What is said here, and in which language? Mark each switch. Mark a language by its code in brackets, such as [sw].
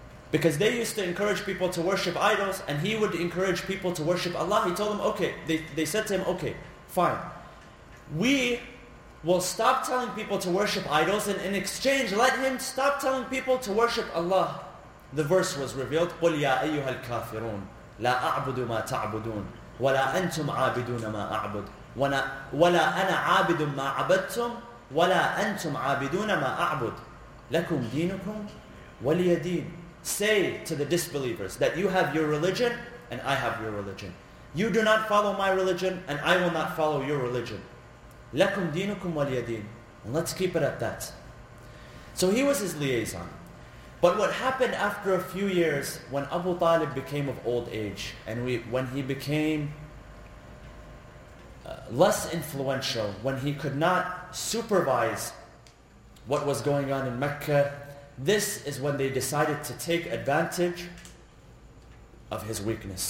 [en] Because they used to encourage people to worship idols, and he would encourage people to worship Allah. He told them, okay, they said to him, okay, fine. We will stop telling people to worship idols, and in exchange, let him stop telling people to worship Allah. the verse was revealed, [ar] قُلْ يَا أَيُّهَا الْكَافِرُونَ لَا أَعْبُدُ مَا تَعْبُدُونَ وَلَا أَنْتُمْ عَابِدُونَ مَا أَعْبُدُ وَلَا أَنَا عَابِدٌ مَا عَبَدْتُمْ وَلَا أَنْتُمْ عَابِدُونَ مَا أَعْبُدُ لَكُمْ دِينُكُمْ وَلِيَ دِينِ. [en] Say to the disbelievers that you have your religion and I have your religion. You do not follow my religion and I will not follow your religion. [ar] لَكُمْ دِينُكُمْ وَلِيَ دِينِ. [en] And let's keep it at that. So he was his liaison. But what happened after a few years, when Abu Talib became of old age, and when he became less influential, when he could not supervise what was going on in Mecca, this is when they decided to take advantage of his weakness.